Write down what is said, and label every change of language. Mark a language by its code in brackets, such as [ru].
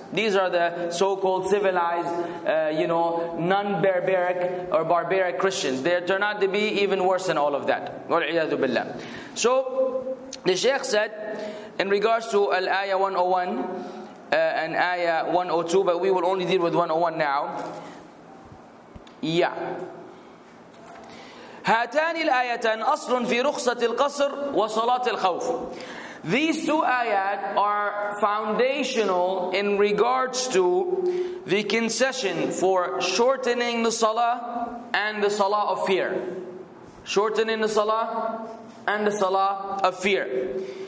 [en] These are the so-called civilized, non-barbaric or barbaric Christians. They turn out to be even worse than all of that. Wal-iyadu billah. So, the Shaykh said, in regards to Al-Ayah 101, and Ayah 102, but we will only deal with 101 now. Yeah. [ar] هاتان الآيتان أصل في رخصة القصر وصلاة الخوف. [en] These two ayat are foundational in regards to the concession for shortening the salah and the salah of fear. Shortening the salah and the salah of fear.